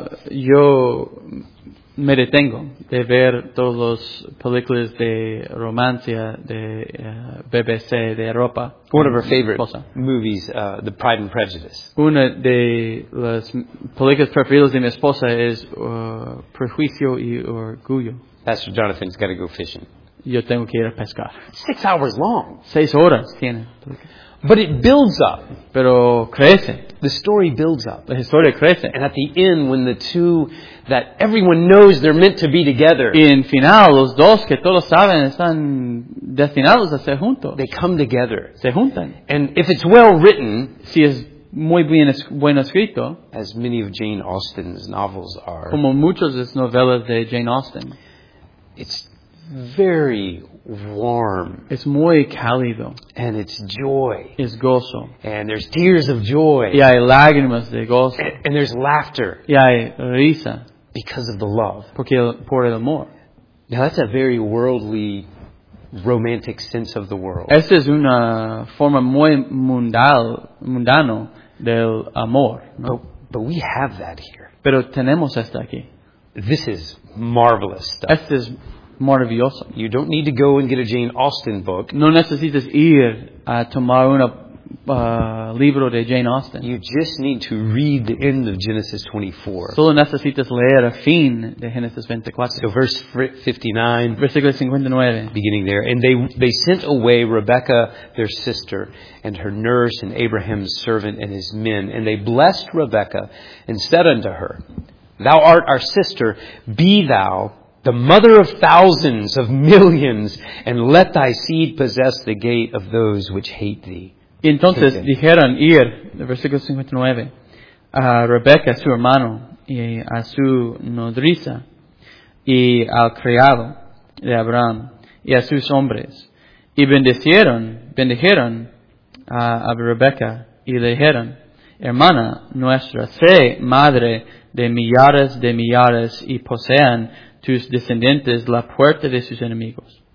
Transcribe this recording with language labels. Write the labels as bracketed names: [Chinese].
[Spanish] Yo me detengo de ver todos los películas de romancia de BBC de Europa. [English] One of her favorite movies, The Pride and Prejudice. [Spanish] Una de las películas preferidas de mi esposa es Prejuicio y Orgullo. [English] Pastor Jonathan's got to go fishing. [Spanish] Yo tengo que ir a pescar. [English] 6 hours long. [Spanish] 6 horas tiene. [English] But it builds up. [Spanish] Pero crece. [English] The story builds up. [Spanish] La historia crece. [English] And at the end, when the two that everyone knows they're meant to be together, [Spanish] y en final, los dos que todos saben están destinados a ser juntos, [English] they come together. [Spanish] Se juntan. [English] And if it's well written, [Spanish] si es muy bien escrito, [English] as many of Jane Austen's novels are, [Spanish] como muchas de las novelas de Jane Austen, [English] it's very warm. [Spanish] Es muy cálido. [English] And it's joy. [Spanish] Es gozo. [English] And there's tears of joy. [Spanish] Y hay lágrimas de gozo. [English] And there's laughter. [Spanish] Y hay risa. [English] Because of the love. [Spanish] Porque por el amor. [English] Now that's a very worldly, romantic sense of the world. [Spanish] Esta es una forma muy mundano del amor. ¿No? [English] But we have that here. [Spanish] Pero tenemos esta aquí. [English] This is marvelous stuff. [Spanish] Esta es maravilloso. [English] You don't need to go and get a Jane Austen book. [Spanish] No necesitas ir a tomar un libro de Jane Austen. [English] You just need to read the end of Genesis 24. [Spanish] Solo necesitas leer el fin de Genesis 24. [English] So verse 59. [Spanish] Versículo 59. [English] Beginning there. And they sent away Rebekah, their sister, and her nurse, and Abraham's servant, and his men. And they blessed Rebekah, and said unto her, Thou art our sister, be thou the mother of thousands, of millions, and let thy seed possess the gate of those which hate thee. [Spanish] Entonces dijeron ir, versículo 59, a Rebeca, su hermano, y a su nodriza, y al criado de Abraham, y a sus hombres. Y bendijeron a Rebeca, y le dijeron, hermana nuestra, sé madre de millares, y posean tus descendientes la puerta de sus enemigos.